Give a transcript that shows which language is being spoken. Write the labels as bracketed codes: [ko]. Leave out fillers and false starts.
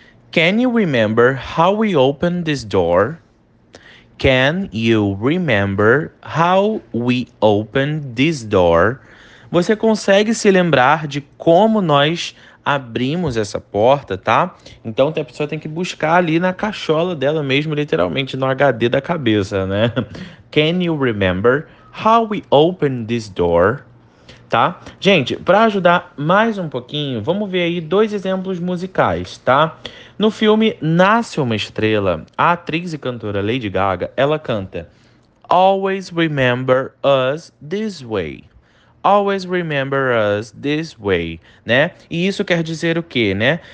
[en] Can you remember how we opened this door? Can you remember how we opened this door? [pt] Você consegue se lembrar de como nós abrimos essa porta, tá? Então a pessoa tem que buscar ali na cachola dela mesmo, literalmente no HD da cabeça, né? [en] Can you remember how we opened this door? [pt] Tá? Gente, para ajudar mais um pouquinho, vamos ver aí dois exemplos musicais, tá? No filme Nasce Uma Estrela, a atriz e cantora Lady Gaga, ela canta Always Remember Us This Way. [en] Always remember us this way, [pt] né? E isso quer dizer o quê, né?